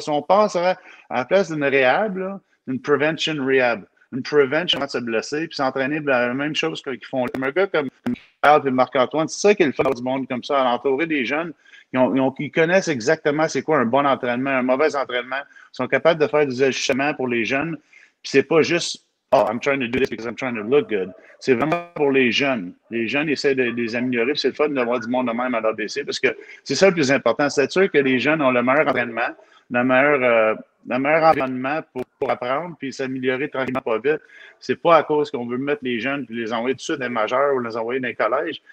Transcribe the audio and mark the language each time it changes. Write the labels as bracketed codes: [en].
[fr] Si on pense à la place d'une réhab, là, une prevention réhab, une prevention avant de se blesser, puis s'entraîner de la même chose qu'ils font. Un gars comme Carl et Marc-Antoine, c'est ça qui est le fun du monde comme ça, à l'entourer des jeunes qui connaissent exactement c'est quoi un bon entraînement, un mauvais entraînement. Ils sont capables de faire des ajustements pour les jeunes, puis c'est pas juste. [en] Oh, I'm trying to do this because I'm trying to look good. [fr] C'est vraiment pour les jeunes. Les jeunes essaient de les améliorer. C'est le fun d'avoir du monde de même à l'ABC parce que c'est ça le plus important. C'est sûr que les jeunes ont le meilleur entraînement, le meilleur environnement pour apprendre puis s'améliorer tranquillement, pas vite. C'est pas à cause qu'on veut mettre les jeunes puis les envoyer tout de suite dans les majeurs ou les envoyer dans les collèges.